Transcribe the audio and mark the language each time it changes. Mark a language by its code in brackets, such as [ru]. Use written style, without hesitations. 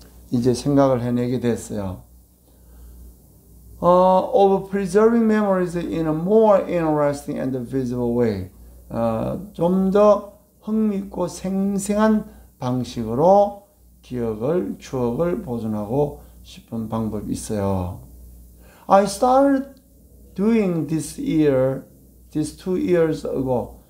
[ko] 이제 생각을 해내게 됐어요. [en] Of preserving memories in a more interesting and visible way. [ko] 좀더 흥미있고 생생한 방식으로 기억을, 추억을 보존하고 싶은 방법이 있어요. [en] I started doing this year, this 2 years ago.